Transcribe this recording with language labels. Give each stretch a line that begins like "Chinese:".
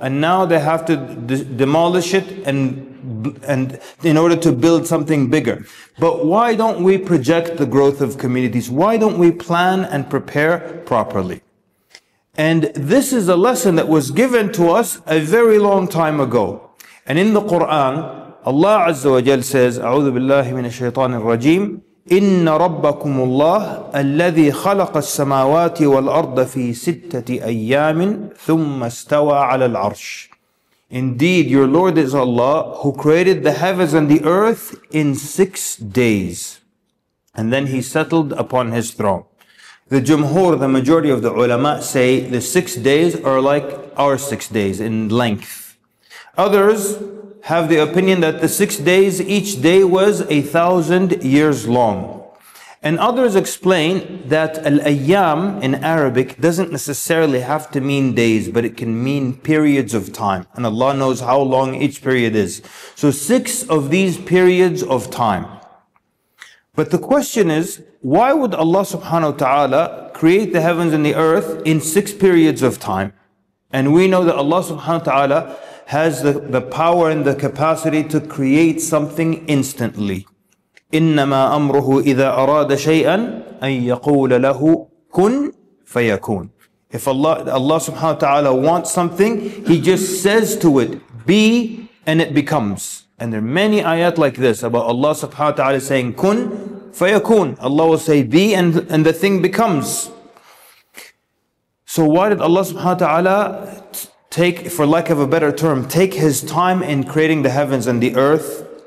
English: And now they have to demolish it and in order to build something bigger. But why don't we project the growth of communities? Why don't we plan and prepare properly? And this is a lesson that was given to us a very long time ago. And in the Quran, Allah Azza wa Jal says,
Arabic: أعوذ بالله من الشيطان الرجيم إِنَّ رَبَّكُمُ اللَّهِ الَّذِي خَلَقَ السَّمَاوَاتِ وَالْأَرْضَ فِي سِتَّةِ أَيَّامٍ ثُمَّ اسْتَوَى عَلَى الْعَرْشِ.
English: Indeed, your Lord is Allah who created the heavens and the earth in 6 days. And then He settled upon His throne. The Jumhur, the majority of the ulama, say the 6 days are like our 6 days in length. Others have the opinion that the 6 days, each day was 1,000 years long. And others explain that al-ayyam in Arabic doesn't necessarily have to mean days, but it can mean periods of time. And Allah knows how long each period is. So 6 of these periods of time. But the question is, why would Allah subhanahu wa ta'ala create the heavens and the earth in 6 periods of time? And we know that Allah subhanahu wa ta'ala has the power and the capacity to create something instantly.
Arabic: إِنَّمَا أَمْرُهُ إِذَا أَرَادَ شَيْئًا أَن يَقُولَ لَهُ كُنْ فَيَكُونَ.
English: If Allah subhanahu wa ta'ala wants something, He just says to it, be, and it becomes. And there are many ayat like this about Allah subhanahu wa ta'ala saying, kun fayakun. Allah will say, be, and the thing becomes. So why did Allah subhanahu wa ta'ala take, for lack of a better term, take His time in creating the heavens and the earth?